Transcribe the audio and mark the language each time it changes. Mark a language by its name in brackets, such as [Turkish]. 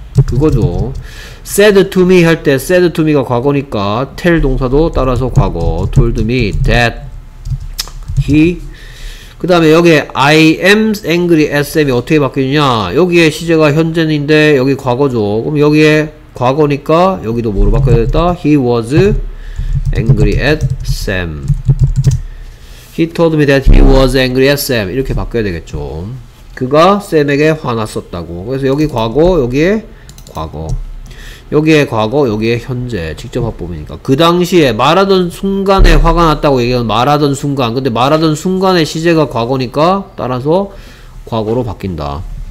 [Korean] 그거죠. [English] said to me [Korean] 할 때 said to me가 과거니까 tell 동사도 따라서 과거. [English] told me that he [Korean] 그 다음에 여기에 [English] I am angry at Sam이 [Korean] 어떻게 바뀌느냐. 여기에 시제가 현재인데 여기 과거죠. 그럼 여기에 과거니까 여기도 뭐로 바꿔야 됐다? [English] He was angry at Sam. He told me that he was angry at Sam. [Korean] 이렇게 바꿔야 되겠죠. 그가 Sam에게 화났었다고. 그래서 여기 과거, 여기에 과거. 여기에 과거, 여기에 현재. 직접 화법이니까. 그 당시에 말하던 순간에 화가 났다고 얘기하는 말하던 순간. 근데 말하던 순간에 시제가 과거니까 따라서 과거로 바뀐다.